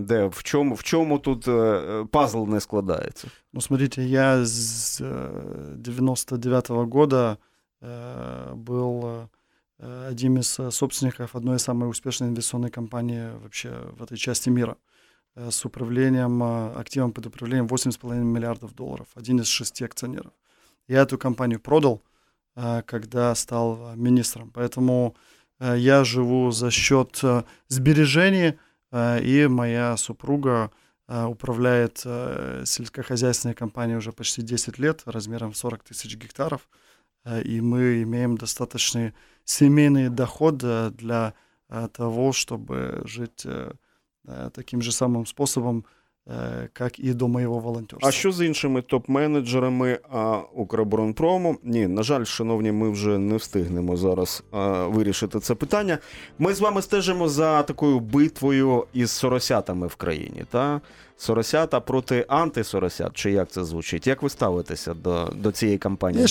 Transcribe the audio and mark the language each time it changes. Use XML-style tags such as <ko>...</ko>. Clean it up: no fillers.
<uk>В чому тут пазл не складається?</uk> <ru>Ну, смотрите, я з 99-го года был одним из собственников одной из самых успешных инвестиционных компаний вообще в этой части мира с управлением, активом под управлением 8,5 миллиардов долларов, один из 6 акционеров. Я эту компанию продал, когда стал министром, поэтому я живу за счет сбережений, и моя супруга управляет сельскохозяйственной компанией уже почти 10 лет размером 40 тысяч гектаров. И мы имеем достаточный семейный доход для того, чтобы жить таким же самым способом, как и до моего волонтерства.</ru> <uk>А що з іншими топ-менеджерами Укроборонпрому? Ні, на жаль, шановні, ми вже не встигнемо зараз вирішити це питання. Ми з вами стежимо за такою битвою із соросятами в країні, та? Соросята проти антисоросят, чи як це звучить? Як ви ставитеся до цієї кампанії?</uk>